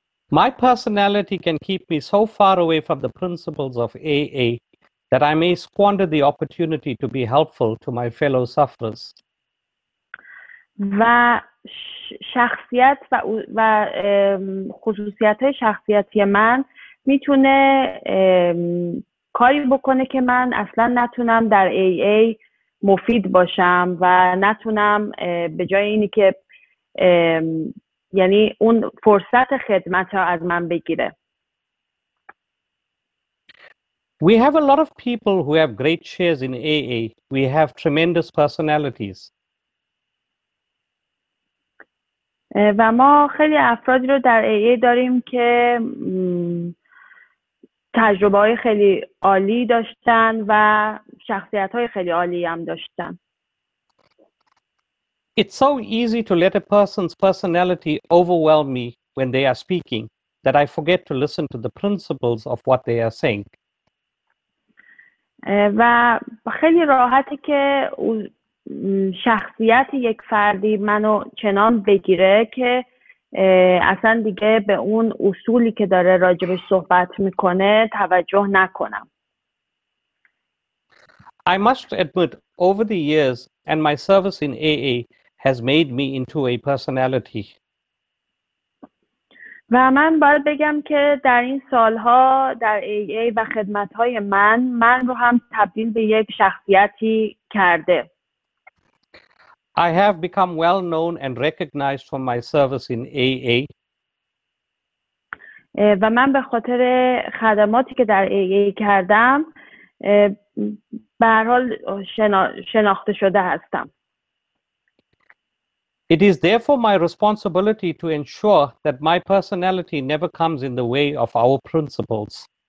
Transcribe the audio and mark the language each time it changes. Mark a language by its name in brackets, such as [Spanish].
[English] My personality can keep me so far away from the principles of AA that I may squander the opportunity to be helpful to my fellow sufferers. [Persian] و شخصیت و خصوصیت شخصیتی من میتونه کاری بکنه که من اصلا نتونم در AA مفید باشم و نتونم به جای اینی که یعنی اون فرصت خدمت ها از من بگیره. [English] We have a lot of people who have great chairs in AA. We have tremendous personalities. [Persian] و ما خیلی افرادی رو در AA داریم که تجربه های خیلی عالی داشتن و شخصیت های خیلی عالی هم داشتن. [English] It's so easy to let a person's personality overwhelm me when they are speaking that I forget to listen to the principles of what they are saying. [Persian] و خیلی راحته که شخصیت یک فردی منو چنان بگیره که اصلا دیگه به اون اصولی که داره راجبش صحبت میکنه توجه نکنم. [English] I must admit, over the years and my service in AA has made me into a personality. [Persian] و من باید بگم که در این سالها در AA و خدمت‌های من رو هم تبدیل به یک شخصیتی کرده. [English] I have become well known and recognized for my service in AA. [Persian] و من به خاطر خدماتی که در AA کردم به هر حال شناخته شده هستم. [English] It is therefore my responsibility to ensure that my personality never comes in the way of our principles.